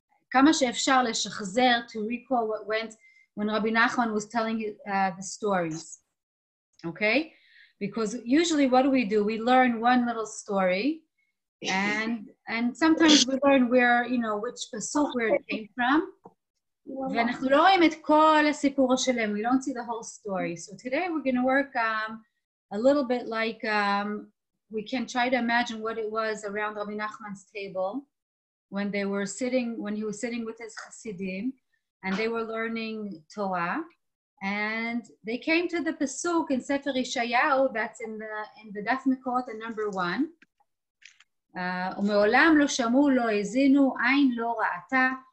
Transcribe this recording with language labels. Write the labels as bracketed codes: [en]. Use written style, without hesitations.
[he] כמה שאפשר לשחזר, [en] to recall what went when Rabbi Nachman was telling the stories. Okay? Because usually what do? We learn one little story and sometimes we learn where, you know, which pasuk where it came from. [he] ואנחנו לא רואים את כל הסיפור שלהם. [en] We don't see the whole story. So today we're going to work a little bit like we can try to imagine what it was around Rabbi Nachman's table when they were sitting, when he was sitting with his chassidim and they were learning Torah. And they came to the pasuk in Sefer Yeshayahu that's in the Daf Mekot at number one. [he] ומעולם לא שמעו, לא הזינו, עין לא ראתה.